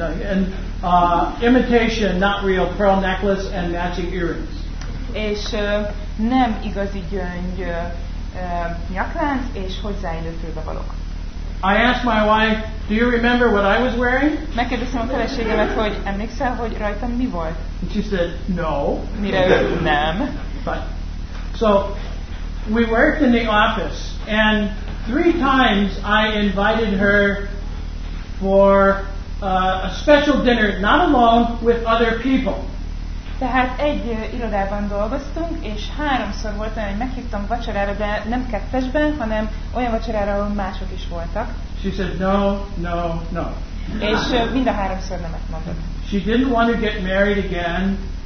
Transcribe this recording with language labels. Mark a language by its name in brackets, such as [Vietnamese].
[English] and imitation, not real pearl necklace and matching earrings. [Hungarian] És nem igazi gyöngy nyaklánc és hozzáillő fülbevalók. [English] I asked my wife, do you remember what I was wearing? [Hungarian] Megkérdeztem a feleségemet, hogy emlékszel, hogy rajtam mi volt? [English] And she said, no. [Hungarian] Mire ő, nem. [English] So we worked in the office, and 3 times I invited her for a special dinner, not alone, with other people. [Hungarian] Tehát egy irodában dolgoztunk, és háromszor volt olyan, hogy meghívtam vacsorára, de nem kettesben, hanem olyan vacsorára, ahol mások is voltak. [English] She said no, no, no. [Hungarian] És mind a háromszor nemet mondott. [English] She didn't want to get married again.